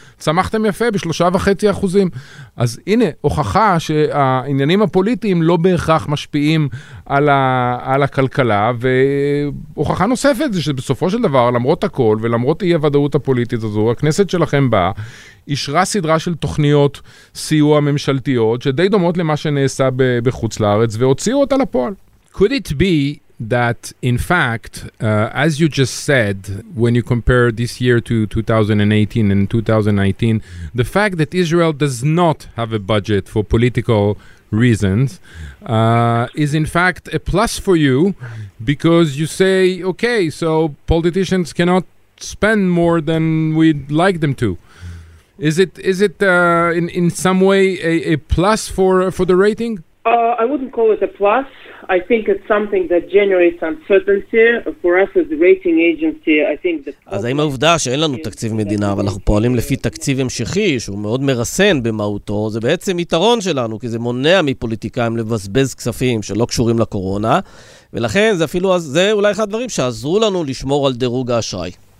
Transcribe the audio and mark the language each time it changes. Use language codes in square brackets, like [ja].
[he] צמחתם יפה ב3.5%. אז הנה, הוכחה שהעניינים הפוליטיים לא בהכרח משפיעים על הכלכלה, והוכחה נוספת זה שבסופו של דבר, למרות הכל ולמרות אי הוודאות הפוליטית הזו, הכנסת שלכם באה, אישרה סדרה של תוכניות סיוע ממשלתיות, שדי דומות למה שנעשה בחוץ לארץ, והוציאו אותה לפועל. [en] Could it be that in fact, as you just said, when you compare this year to 2018 and 2019, the fact that Israel does not have a budget for political reasons is in fact a plus for you, because you say, okay, so politicians cannot spend more than we'd like them to. Is it in some way a plus for the rating? I wouldn't call it a plus. I think it's something that generates uncertainty for us as the rating agency. I think that [he] אז האם העובדה שאין לנו תקציב מדינה, אבל אנחנו פועלים לפי תקציב המשכי, שהוא מאוד מרסן במהותו, זה בעצם יתרון שלנו, כי זה מונע מפוליטיקאים לבזבז כספים שלא קשורים לקורונה, ולכן זה אפילו, זה אולי אחד הדברים שעזרו לנו לשמור על דירוג האשראי.